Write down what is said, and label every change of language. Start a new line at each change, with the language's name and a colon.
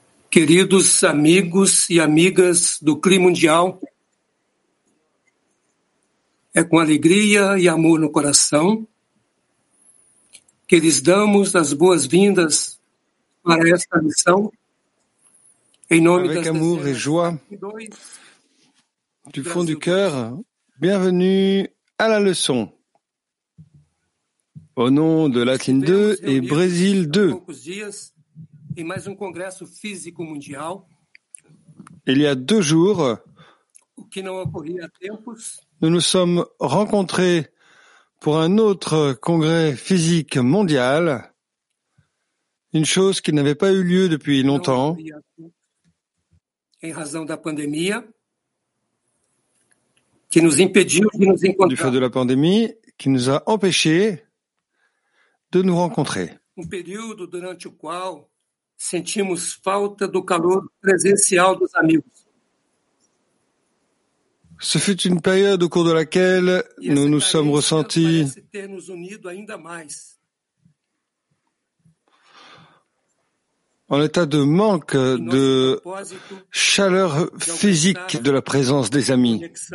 Portuguese: Queridos amigos e amigas do CRI Mundial, é com alegria e amor no coração que lhes damos as boas-vindas para esta missão. Em nome
French: avec amour et joie, du fond du cœur, bienvenue à la leçon. Au nom de Latine 2 et Brésil 2, il y a deux jours, nous nous sommes rencontrés pour un autre congrès physique mondial, une chose qui n'avait pas eu lieu depuis longtemps.
Portuguese: Em razão da pandemia, que nos impediu de nos encontrar.
French: Du fait de la pandémie, qui nous a empêchés de nous rencontrer.
Portuguese: Um período durante o qual sentimos falta do calor presencial dos amigos.
French: Ce fut une période au cours de laquelle nous nous sommes ressentis.
Portuguese: Parece ter nos unido ainda mais.
French: En état de manque de chaleur physique de la présence des amis.